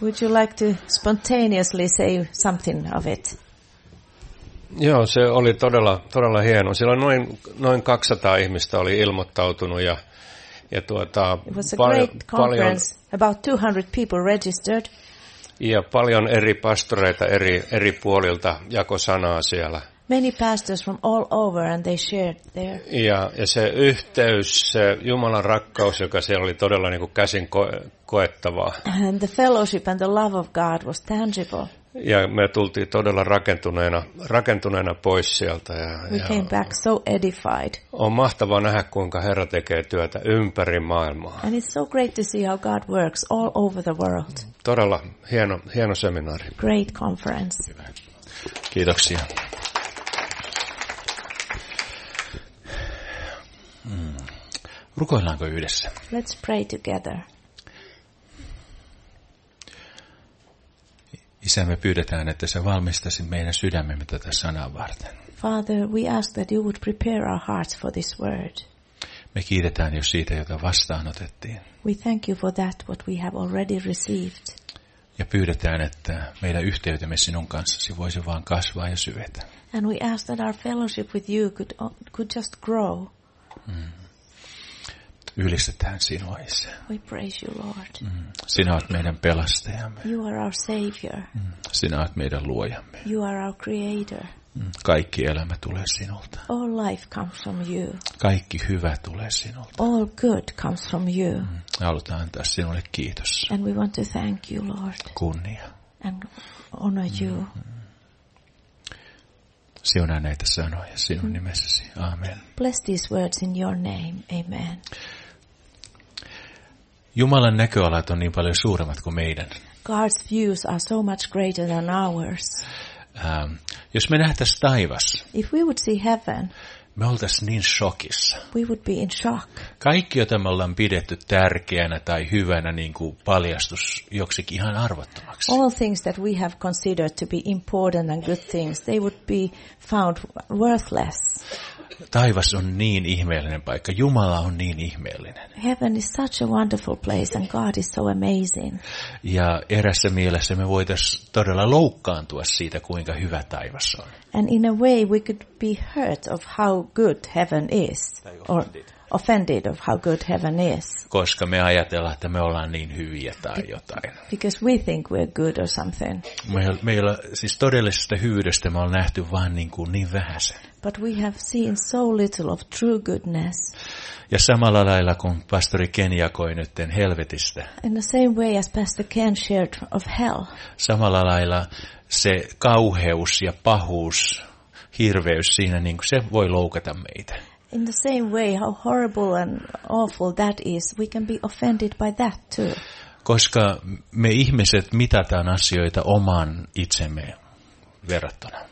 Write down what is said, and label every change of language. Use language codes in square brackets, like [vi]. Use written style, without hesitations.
[en] Would you like to spontaneously say something of it? [fi] Joo, se oli todella hieno. Siellä noin 200 ihmistä oli ilmoittautunut ja [en] it was a great conference, about 200 people registered. [fi] Ja paljon eri pastoreita eri puolilta jako sanaa siellä. [en] Many pastors from all over and they shared their. [fi] Ja se yhteys, se Jumalan rakkaus, joka siellä oli todella niin kuin käsin koettavaa. [en] And the fellowship and the love of God was tangible. [fi] Ja me tultiin todella rakentuneena pois sieltä. [en] We came back so edified. [fi] On mahtavaa nähdä, kuinka Herra tekee työtä ympäri maailmaa. [en] And it's so great to see how God works all over the world. [fi] Todella hieno seminaari. [en] Great conference. [fi] Kiitoksia. Rukoillaanko yhdessä? [en] Let's pray together. [fi] Isä, me pyydetään, että sä valmistaisit meidän sydämemme tätä sanaa varten. [en] Father, we ask that you would prepare our hearts for this word. [fi] Me kiitetään jo siitä, jota vastaanotettiin. [en] We thank you for that, what we have already received. [fi] Ja pyydetään, että meidän yhteytemme sinun kanssasi voisi vaan kasvaa ja syvetä. [en] And we ask that our fellowship with you could just grow. [fi] Ylistetään sinua, Isä. [en] We praise you, Lord. Mm. [fi] Sinä olet meidän pelastajamme. [en] You are our savior. Mm. [fi] Sinä olet meidän luojamme. [en] You are our creator. [fi] Kaikki elämä tulee sinulta. [en] All life comes from you. [fi] Kaikki hyvä tulee sinulta. [en] All good comes from you. [fi] Halutaan antaa sinulle kiitos. [en] And we want to thank you, Lord. [fi] Kunnia. [en] And honor you. [fi] Siunaa näitä sanoja sinun nimessäsi. Amen. [en] Bless these words in your name. Amen. [fi] Jumalan näköalat on niin paljon suuremmat kuin meidän. [en] God's views are so much greater than ours. [fi] Jos me nähtäisiin taivas, [en] if we would see heaven, [fi] me oltaisiin niin shokissa. [en] We would be in shock. [fi] Kaikki, jota me ollaan pidetty tärkeänä tai hyvänä, niin kuin paljastus joksikin ihan arvottomaksi. [en] All things that we have considered to be important and good things, they would be found worthless. [fi] Taivas on niin ihmeellinen paikka. Jumala on niin ihmeellinen. [en] Heaven is such a wonderful place and God is so amazing. [fi] Ja erässä mielessä me voitaisiin todella loukkaantua siitä, kuinka hyvä taivas on. [en] And in a way we could be hurt of how good heaven is. Or offended of how good heaven is. [fi] Koska me ajatellaan, että me ollaan niin hyviä tai jotain. [en] Because we think we're good or something. [fi] Meillä siis todellisesta hyvyydestä me ollaan nähty vaan niin vähäsen. [en] But we have seen so little of true goodness. [fi] Ja samalla lailla kuin pastori Ken jakoi nytten helvetistä. [en] In the same way as Pastor Ken shared of hell. [fi] Samalla lailla se kauheus ja pahuus, hirveys siinä, niin kuin se voi loukata meitä. [en] In the same way, how horrible and awful that is, we can be offended by that too. [fi] Koska me ihmiset mitataan asioita oman itsemme verrattuna.